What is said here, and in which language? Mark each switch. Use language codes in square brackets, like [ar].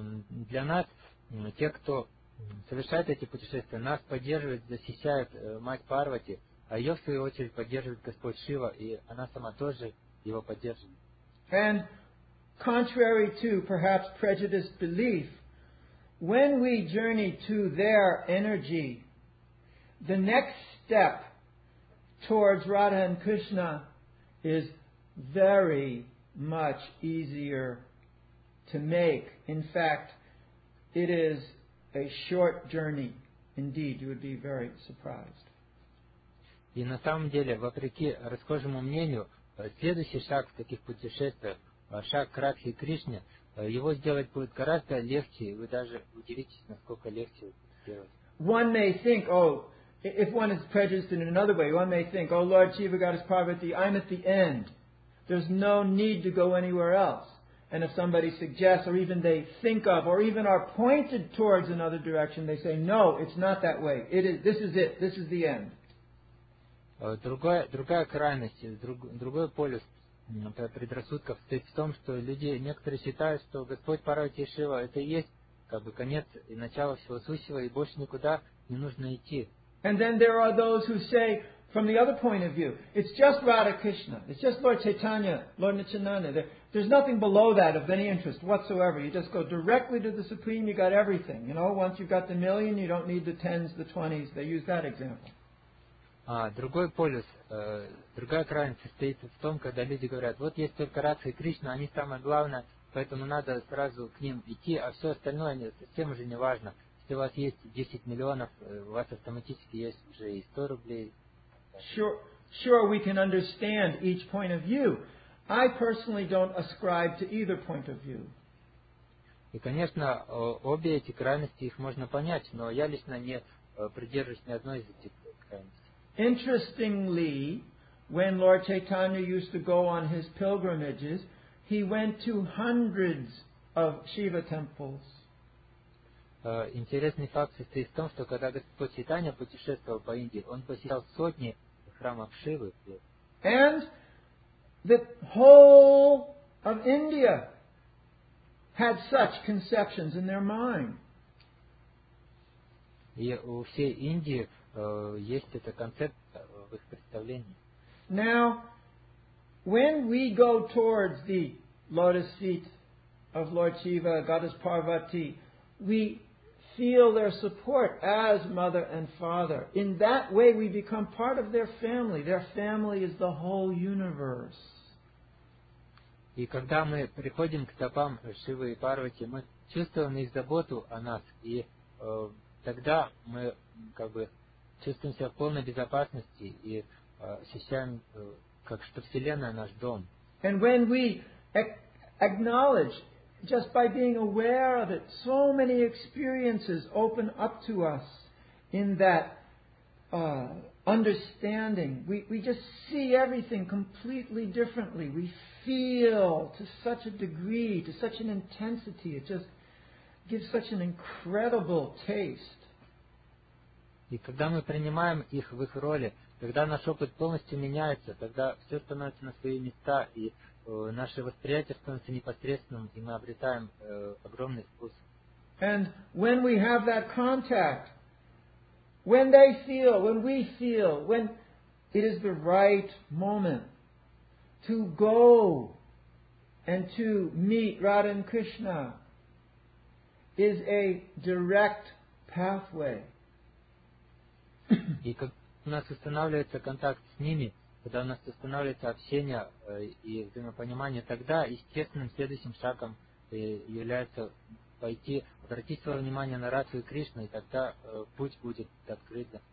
[ru] Для нас, те, кто совершает эти путешествия, нас поддерживает, защищает мать Парвати, а ее, в свою очередь, поддерживает Господь Шива, и она сама тоже его поддерживает. [en] And contrary to perhaps prejudiced belief, when we journey to their energy, the next step towards Radha and Krishna is very much easier to make. In fact, it is a short journey. Indeed, you would be very surprised. [ru] И на самом деле, вопреки расхожему мнению, следующий шаг в таких путешествиях, шаг к Радхе и Кришне, его сделать будет гораздо легче, и вы даже удивитесь, насколько легче сделать. [en] One may think, oh, if one is prejudiced in another way, one may think, oh Lord Shiva, Goddess Parvati, I'm at the end. There's no need to go anywhere else. And if somebody suggests, or even they think of, or even are pointed towards another direction, they say, no, it's not that way. This is it. This is the end. [ru] Другая крайность, другой полюс предрассудков стоит в том, что люди, некоторые считают, что Господь Парвати Шива, это и есть как бы конец и начало всего сущего, и больше никуда не нужно идти. [en] And then there are those who say, from the other point of view, it's just Radha Krishna, it's just Lord Chaitanya, Lord Nityananda. There's nothing below that of any interest whatsoever. You just go directly to the Supreme, you got everything. You know, once you've got the million, you don't need the tens, the twenties. They use that example. [ru] Другой полюс, другая крайность состоит в том, когда люди говорят, вот есть только Радха и Кришна, они самое главное, поэтому надо сразу к ним идти, а все остальное совсем уже не важно. Если у вас есть 10 миллионов, у вас автоматически есть уже и 100 рублей. [en] Sure, we can understand each point of view. I personally don't ascribe to either point of view. [ru] И, конечно, обе эти крайности, их можно понять, но я лично не придерживаюсь ни одной из этих крайностей. [en] Interestingly, when Lord Chaitanya used to go on his pilgrimages, he went to hundreds of Shiva temples. [ru] Интересный факт состоит в том, что когда Господь Чайтанья путешествовал по Индии, он посещал сотни храмов Шивы. [en] And the whole of India had such conceptions in their mind. [ru] И у всей Индии есть эта концепция в их представлении. [en] Now, when we go towards the lotus feet of Lord Shiva, Goddess Parvati, we feel their support as mother and father. In that way, we become part of their family. Their family is the whole universe. [ru] И когда мы приходим к стопам Шивы и Парвати, мы чувствуем их заботу о нас, и тогда мы как бы чувствуем себя в полной безопасности и ощущаем, как что Вселенная наш дом. [en] And when we acknowledge, just by being aware of it, so many experiences open up to us in that understanding. We just see everything completely differently. We feel to such a degree, to such an intensity. It just gives such an incredible taste. [ru] И когда мы принимаем их в их роли, тогда наш опыт полностью меняется, тогда все становится на свои места, и наше восприятие становится непосредственным, и мы обретаем огромный вкус. [en] And when we have that contact, when they feel, when we feel, when it is the right moment to go and to meet Radha and Krishna, is a direct pathway. [ru] И как у нас устанавливается контакт с ними, когда у нас устанавливается общение и взаимопонимание, тогда естественным следующим шагом является пойти, обратить свое внимание на Радху и Кришну, и тогда путь будет открыт.